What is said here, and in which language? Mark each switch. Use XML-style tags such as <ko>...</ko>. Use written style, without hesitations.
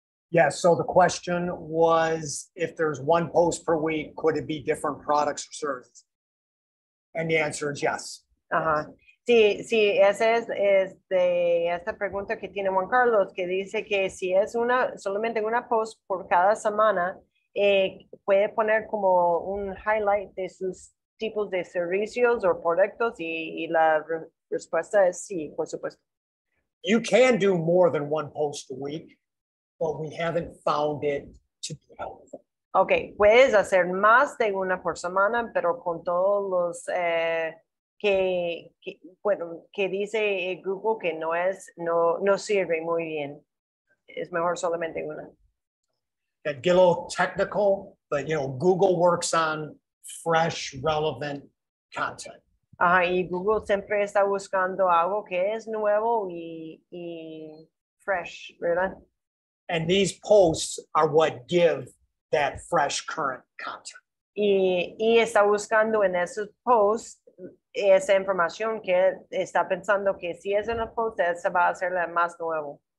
<en>Yeah, so the question was, if there's one post per week, could it be different products or services? And the answer is yes. Uh-huh.</en> <es>Sí, esa es de esta pregunta que tiene Juan Carlos, que dice que si es una solamente una post por cada semana, puede poner como un highlight de sus tipos de servicios o productos, y la respuesta es sí, por supuesto.</es> <en>You can do more than one post a week. But we haven't found it to be helpful.</en> <es>Okay, puedes hacer más de una por semana, pero con todos los que dice Google que no sirve muy bien. Es mejor solamente una.</es> <en>That get a little technical, but you know, Google works on fresh, relevant content.</en> <es>Ah, y Google siempre está buscando algo que es nuevo y fresh, ¿verdad?</es> <en>And these posts are what give that fresh, current content.</en> <es>Y está buscando en esos posts esa información que está pensando que si es en el post, esa va a ser la más nueva.</es>